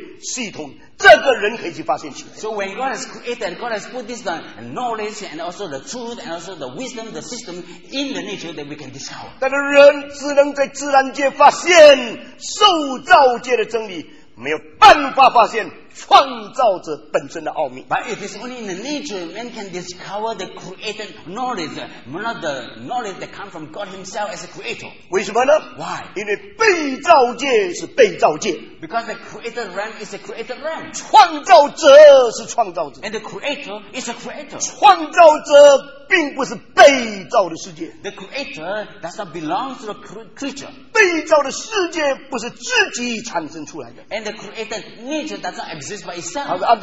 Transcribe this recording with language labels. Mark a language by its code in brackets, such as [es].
[zh] 上帝创造以后，上帝放在创造界里面那些神的智慧系统，这个人可以去发现起来。 [en] So when God has created, God has put this knowledge and also the truth and also the wisdom, the system in the nature that we can discover. [zh] 但是人只能在自然界发现受造界的真理。没有办法发现创造者本身的奥秘。 [en] But it is only in the nature man can discover the created knowledge, not the knowledge that comes from God himself as a creator. [zh] 为什么呢？ [en] Why? [zh] 因为被造界是被造界。 [en] Because the created realm is a created realm. [zh] 创造者是创造者。 [en] And the creator is a creator. [zh] 创造者并不是被造的世界。 [en] The creator does not belong to the creature. [zh] 被造的世界不是自己产生出来的。 [en] And the created nature does not exist by itself.